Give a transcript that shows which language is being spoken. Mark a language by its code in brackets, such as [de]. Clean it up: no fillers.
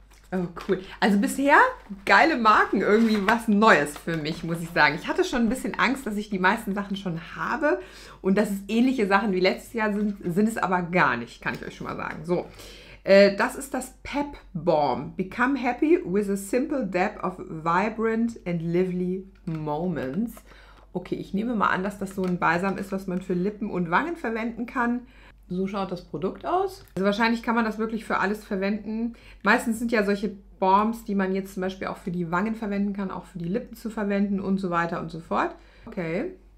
[de] Oh, cool. Also bisher geile Marken, irgendwie was Neues für mich, muss ich sagen. Ich hatte schon ein bisschen Angst, dass ich die meisten Sachen schon habe und dass es ähnliche Sachen wie letztes Jahr sind, sind es aber gar nicht, kann ich euch schon mal sagen. So, das ist das Pep Balm. [en] Become happy with a simple dab of vibrant and lively moments. [de] Okay, ich nehme mal an, dass das so ein Balsam ist, was man für Lippen und Wangen verwenden kann. So schaut das Produkt aus. Also wahrscheinlich kann man das wirklich für alles verwenden. Meistens sind ja solche Balms, die man jetzt zum Beispiel auch für die Wangen verwenden kann, auch für die Lippen zu verwenden und so weiter und so fort. Okay.